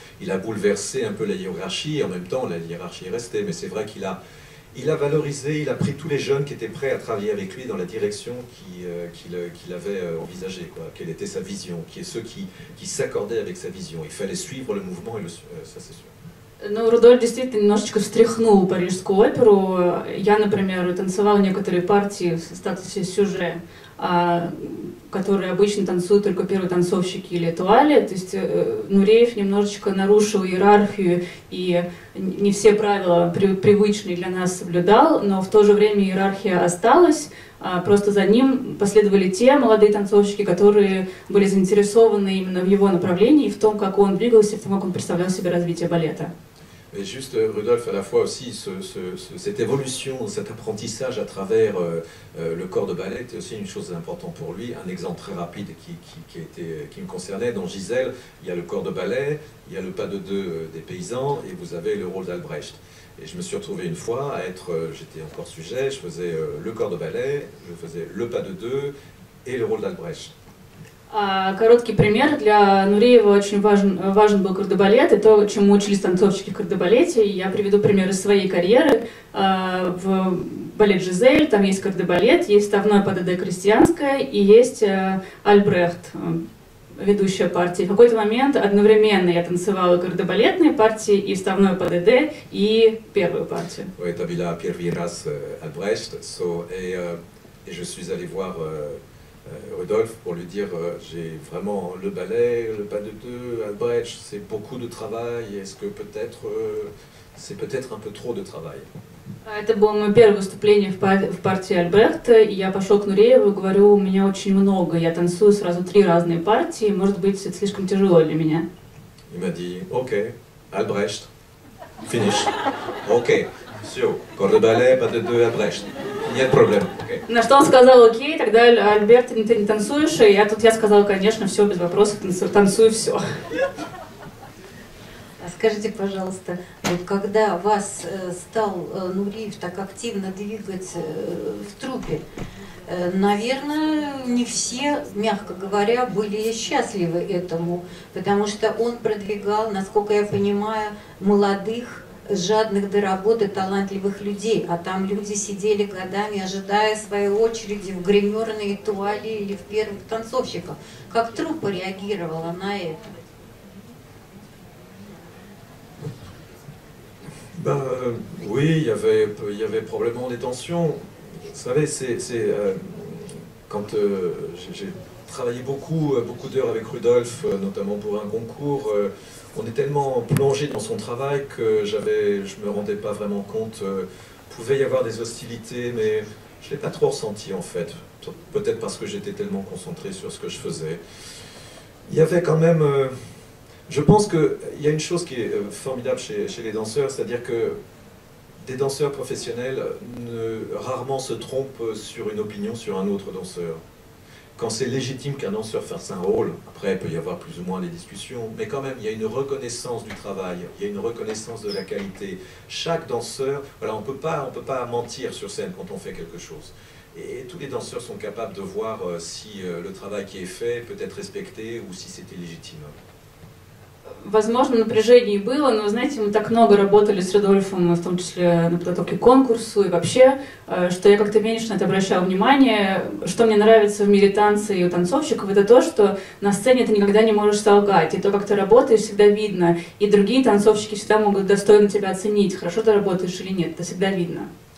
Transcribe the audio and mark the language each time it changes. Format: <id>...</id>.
<fr>Il a bouleversé un peu la hiérarchie, et en même temps, la hiérarchie est restée, mais c'est vrai qu'il a... Il a valorisé, il a pris tous les jeunes qui étaient prêts à travailler avec lui dans la direction qu'il avait envisagée, quoi. Quelle était sa vision, qui est ceux qui s'accordaient avec sa vision. Il fallait suivre le mouvement, et ça c'est sûr.</fr> <ru>Ну, Рудольф действительно немножечко встряхнул парижскую оперу. Я, например, танцевала некоторые партии в статусе сюже, которые обычно танцуют только первые танцовщики или туали. То есть Нуреев немножечко нарушил иерархию и не все правила привычные для нас соблюдал, но в то же время иерархия осталась. Просто за ним последовали те молодые танцовщики, которые были заинтересованы именно в его направлении, в том, как он двигался, в том, как он представлял себе развитие балета.</ru> <fr>Mais juste, Rudolf, à la fois aussi, cette évolution, cet apprentissage à travers le corps de ballet était aussi une chose importante pour lui. Un exemple très rapide qui me concernait, dans Gisèle, il y a le corps de ballet, il y a le pas de deux des paysans, et vous avez le rôle d'Albrecht. Et je me suis retrouvé une fois à être, j'étais encore sujet, je faisais le corps de ballet, je faisais le pas de deux et le rôle d'Albrecht.</fr> <ru>Короткий пример. Для Нуреева очень важен был кардебалет и то, чему учились танцовщики в кардебалете. Я приведу пример из своей карьеры. В балет «Жизель» там есть кардебалет, есть вставное ПДД «Крестьянское» и есть Альбрехт, ведущая партия. В какой-то момент одновременно я танцевала кардебалетные партии и вставное ПДД, и первую партию. Это был первый раз Альбрехт, и я пошел</ru> <fr>voir Rudolf, pour lui dire, j'ai vraiment le ballet, le pas de deux, Albrecht, c'est beaucoup de travail, est-ce que peut-être, c'est peut-être un peu trop de travail.</fr> <ru>Это было мое первое выступление в партии Альбрехта, и я пошел к Нурееву и говорю, у меня очень много, я танцую сразу три разные партии, может быть, это слишком тяжело для меня.</ru> <fr>Il m'a dit, ok, Albrecht, finish, ok,</fr> <ru>все,</ru> <fr>corps de ballet, pas de deux, Albrecht.</fr> <ru>На что он сказал, окей, тогда Альберт, ты не танцуешь, и я сказала, конечно, все, без вопросов, танцую все. А с Скажите, пожалуйста, вот когда вас стал Нуриев так активно двигать в труппе, наверное, не все, мягко говоря, были счастливы этому, потому что он продвигал, насколько я понимаю, молодых, жадных до работы талантливых людей, а там люди сидели годами, ожидая своей очереди в гримерной туалете или в первых танцовщиках. Как труппа реагировала на это?</ru> <fr>Ben oui, il y avait probablement des tensions. Vous savez, j'ai travaillé beaucoup d'heures avec Rudolf, notamment pour un concours. On est tellement plongé dans son travail que je me rendais pas vraiment compte. Pouvait y avoir des hostilités, mais je l'ai pas trop ressenti en fait. Peut-être parce que j'étais tellement concentré sur ce que je faisais. Il y avait quand même. Je pense qu'il y a une chose qui est formidable chez les danseurs, c'est-à-dire que des danseurs professionnels rarement se trompent sur une opinion sur un autre danseur. Quand c'est légitime qu'un danseur fasse un rôle, après il peut y avoir plus ou moins des discussions, mais quand même il y a une reconnaissance du travail, il y a une reconnaissance de la qualité. Chaque danseur, voilà, on peut pas mentir sur scène quand on fait quelque chose. Et tous les danseurs sont capables de voir si le travail qui est fait peut être respecté ou si c'était légitime.</fr> <ru>Возможно, напряжение было, но, знаете, мы так много работали с Рудольфом, в том числе на подготовке к конкурсу и вообще, что я как-то меньше на это обращала внимание. Что мне нравится в мире танца и у танцовщиков, это то, что на сцене ты никогда не можешь солгать, и то, как ты работаешь, всегда видно, и другие танцовщики всегда могут достойно тебя оценить, хорошо ты работаешь или нет, это всегда видно.</ru>